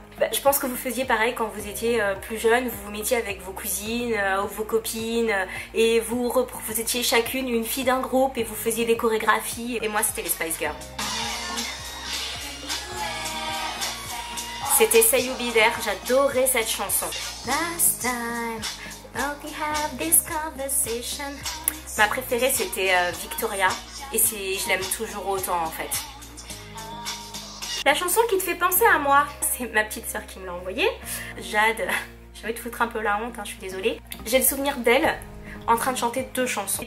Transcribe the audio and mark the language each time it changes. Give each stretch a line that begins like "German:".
French: Bah, je pense que vous faisiez pareil quand vous étiez plus jeune. Vous vous mettiez avec vos cousines ou vos copines. Et vous étiez chacune une fille d'un groupe. Et vous faisiez des chorégraphies. Et moi, c'était les Spice Girls. C'était Say You Be There. J'adorais cette chanson.
English: Last time. Oh, we have this conversation.
French: Ma préférée c'était Victoria et je l'aime toujours autant en fait. La chanson qui te fait penser à moi, c'est ma petite soeur qui me l'a envoyée. Jade, je vais te foutre un peu la honte, hein, je suis désolée. J'ai le souvenir d'elle en train de chanter deux chansons.